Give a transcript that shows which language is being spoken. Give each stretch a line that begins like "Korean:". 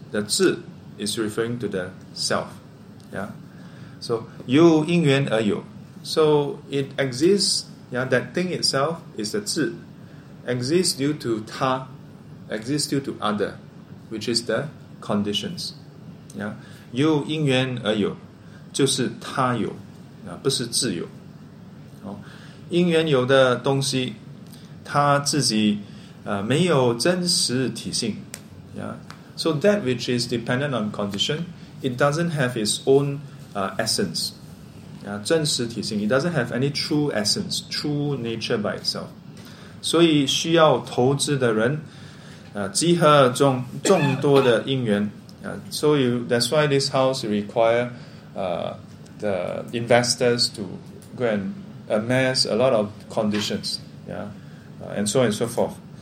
English: The 自 is referring to the self. Yeah. So
Chinese: 有因缘而有,
English: so it exists. Yeah, that thing itself is the 自, exists due to 他, exists due to other, which is the conditions. Yeah.
Chinese: 有因缘而有, 就是他有, 不是自有. 因缘有的东西, 他自己, 没有真实体性. Yeah.
English: So that which is dependent on condition, it doesn't have its own essence. Yeah,
Chinese: 真实体性,
English: it doesn't have any true essence, true nature by itself.
Chinese: 所以需要投资的人, 集合众多的因缘,
English: so you, that's why this house require the investors to go and amass a lot of conditions, yeah, and so on and so forth.